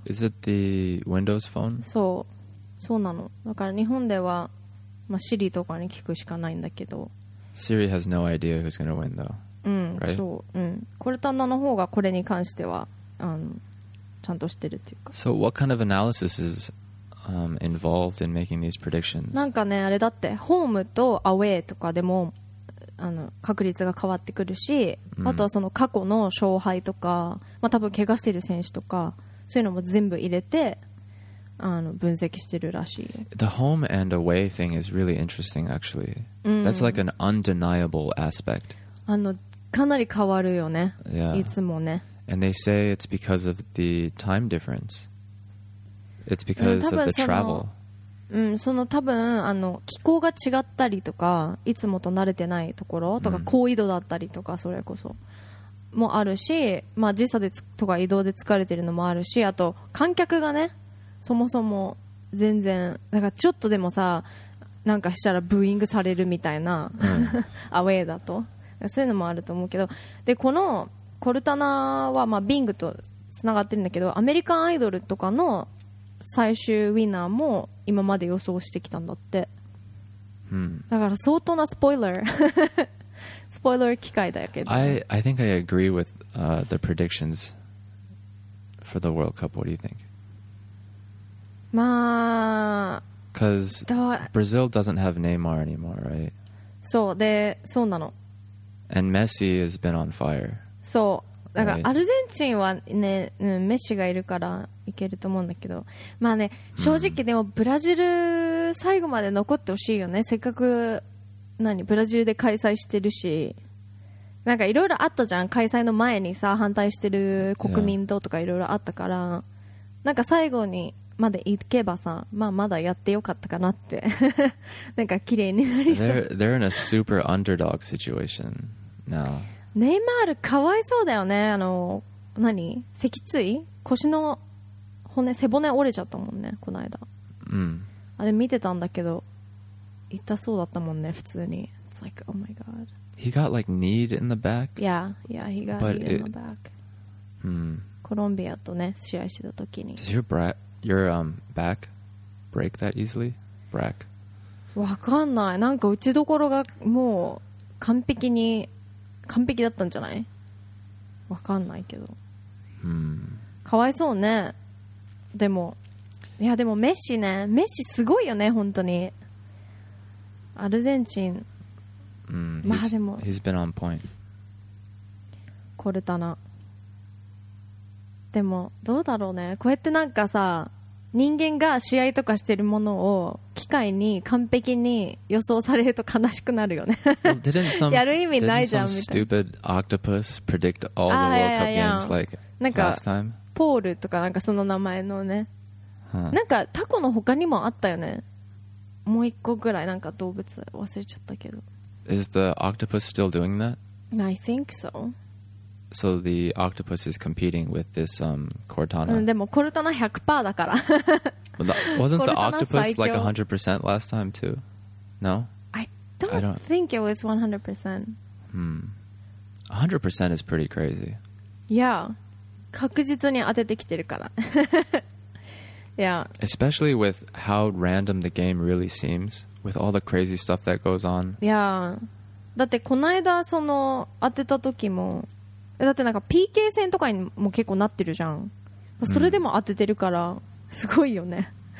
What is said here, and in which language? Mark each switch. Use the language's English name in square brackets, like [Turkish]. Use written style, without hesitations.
[English] Is it the Windows phone? [Japanese] そうそうなのだから日本では、まあ、Siri とかに聞くしかないんだけど [English] Siri has no idea who's gonna win though うん、 right? [Japanese] そう、うん、コルタナの方がこれに関してはあのちゃんとしてるっていうか。 [English] So what kind of analysis is involved in making these predictions? [Japanese] なんかね、あれだって、ホームとアウェーとかでもあの確率が変わってくるし、mm. あとはその過去の勝敗とか、まあ多分怪我してる選手とか、そういうのも全部入れてあの分析してるらしい。 [English] The home and away thing is really interesting, actually. That's like an undeniable aspect. [Japanese] あのかなり変わるよね。 Yeah. いつもね。 [English] And they say it's because of the time difference. It's because of the travel. [Japanese] うん、その多分あの気候が違ったりとか、いつもと慣れてないところとか、高緯度だったりとか、それこそもあるし、まあ時差でとか移動で疲れてるのもあるし、あと観客がね、そもそも全然なんかちょっとでもさ、なんかしたらブーイングされるみたいな、アウェーだと、そういうのもあると思うけど、でこのコルタナはまあ Bing とつながってるんだけどアメリカンアイドルとかの最終ウィナーも今まで予想してきたんだって、 hmm. だから相当なスポイラースポイラー機会だけど [English] I think I agree with the predictions for the World Cup. What do you think? まあ Because Brazil doesn't have Neymar anymore, right? [Japanese] そうでそうなの [English] And Messi has been on fire [Japanese] そうだからアルゼンチンは、ねうん、メッシがいるからいけると思うんだけど、まあね、正直でもブラジル最後まで残ってほしいよねせっかく何ブラジルで開催してるしなんかいろいろあったじゃん開催の前にさ反対してる国民党とかいろいろあったから、yeah. なんか最後にまで行けばさ、まあ、まだやってよかったかなってなんか綺麗になりそう [English] They're in a super underdog situation now. [Japanese] ネイマールかわいそうだよねあの何脊椎腰の骨背骨折れちゃったもんねこの間、うん、あれ見てたんだけど痛そうだったもんね普通に。 [English] It's like, oh my god. He got like kneed in the back. Yeah, yeah, he got kneed in the back. Hmm. [Japanese] コロンビアとね試合してた時に。 [English] Does your back break that easily? Brack? [Japanese] わかんない。なんか打ちどころがもう完璧に完璧だったんじゃない？わかんないけど。 Hmm. かわいそうね。でも、いやでもメッシね、メッシすごいよね本当に。アルゼンチン、まあでも [English] he's been on point. [Japanese] コルタナ。でもどうだろうね、こうやってなんかさ、人間が試合とかしてるものを機械に完璧に予想されると悲しくなるよね。 [English] well, didn't some, [Japanese] やる意味ないじゃんみたいな。 [English] stupid octopus predict all the World Cup games like last time? [Japanese] ポールとかなんかその名前のね、なんかタコの他にもあったよね、もう一個ぐらいなんか動物忘れちゃったけど。 [English] Is the octopus still doing that? I think so. So the octopus is competing with this Cortana. [Japanese] でもコルタナ 100% だから [English] Wasn't the octopus like 100% last time too? No? I don't think it was 100%. Hmm. 100% is pretty crazy. Yeah. [Japanese] 確実に当ててきてるから。 yeah. [English] Especially with how random the game really seems, with all the crazy stuff that goes on. Yeah. [Japanese] だってこの間その当てた時も、だってなんか PK 戦とかにも結構なってるじゃん。 Mm. それでも当ててるからすごいよね。